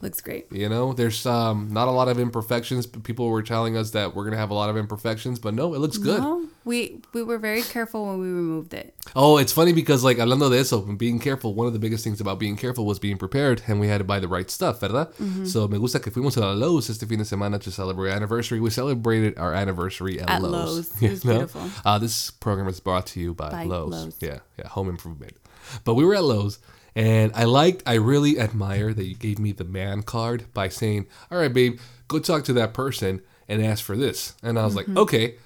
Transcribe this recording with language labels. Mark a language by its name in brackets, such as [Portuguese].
[English] Looks great. You know, there's not a lot of imperfections. But people were telling us that we're going to have a lot of imperfections, but no, it looks good. No, we were very careful when we removed it. Oh, it's funny because like [Spanish] hablando de eso, [English] being careful, one of the biggest things about being careful was being prepared and we had to buy the right stuff, [Spanish] ¿verdad? [English] Mm-hmm. [Spanish] So me gusta que fuimos a la Lowe's este fin de semana [English] to celebrate. Anniversary. We celebrated our anniversary at Lowe's. It was beautiful. This program is brought to you by Lowe's. Yeah, home improvement. But we were at Lowe's, and I really admire that you gave me the man card by saying, all right, babe, go talk to that person and ask for this. And I was like, okay.